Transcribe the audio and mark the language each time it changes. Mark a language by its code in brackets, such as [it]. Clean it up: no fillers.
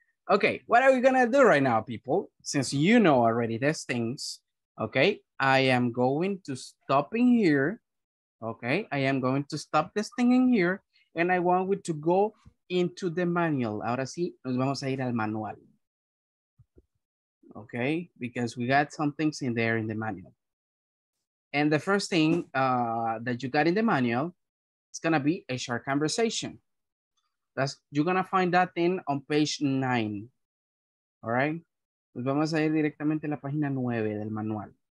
[en] Okay, what are we gonna do right now, people? Since you know already these things, okay? I am going to stop in here, okay? I am going to stop this thing in here, and I want you to go into the manual. [es] Ahora sí, nos vamos a ir al manual. [en] Okay, because we got some things in there in the manual. And the first thing that you got in the manual, it's gonna be a short conversation. That's, you're going to find that thing on page 9. All right? [es] Pues vamos a ir directamente a la página 9 del manual.